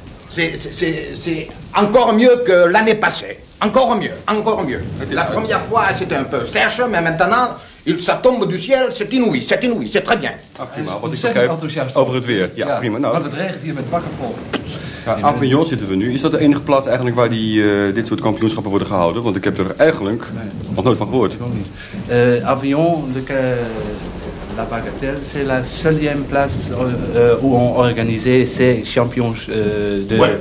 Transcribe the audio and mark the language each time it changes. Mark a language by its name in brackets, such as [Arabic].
[French] C'est encore mieux que l'année passée. Encore mieux. La première fois, c'était un peu sèche, mais maintenant... Il ça tombe du ciel, c'est inouï, c'est très bien. [Dutch] Ah, prima, wat ik begrijp over het weer. Ja, prima. Nou. Want het regent hier met bakkenvolk. Ja, Avignon zitten we nu. Is dat de enige plaats eigenlijk waar die, dit soort kampioenschappen worden gehouden? Want ik heb er eigenlijk nog nooit van gehoord. [French] Avignon, la Bagatelle, c'est la seulième place où on organise ces champions de...